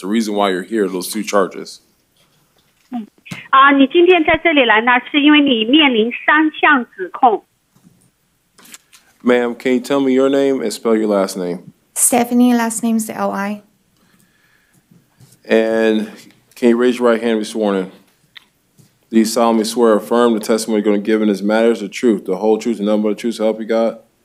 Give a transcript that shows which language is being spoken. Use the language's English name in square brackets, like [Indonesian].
[English] The reason why you're here, those two charges. [Chinese] 你今天在这里来呢，是因为你面临三项指控。 [English] Ma'am, can you tell me your name and spell your last name? Stephanie, last name's L-I. And can you raise your right hand and be sworn in? Do you solemnly swear or affirm the testimony you're going to give in this matter is the truth, the whole truth, the number of the truth to help you, God?